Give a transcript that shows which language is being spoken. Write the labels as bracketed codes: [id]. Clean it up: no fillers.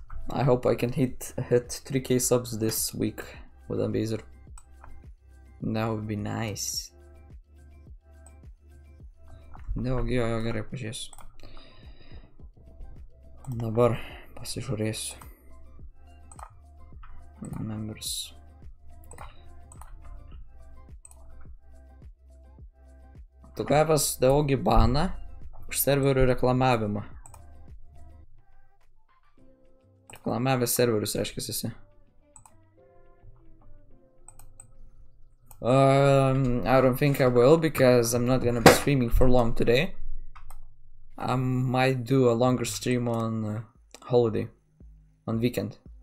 [en] I hope I can hit 3k subs this week with a Beezer. That would be nice. [lt] Jo, jo, jo, gerai, pažiūrėsiu. Dabar pasižiūrėsiu. [en] Members. [lt] Tu gavęs daugį baną už serverių reklamavimą. Reklamavęs serverius, reiškia, esi. [en] I don't think I will, because I'm not gonna be streaming for long today. I might do a longer stream on holiday, on weekend.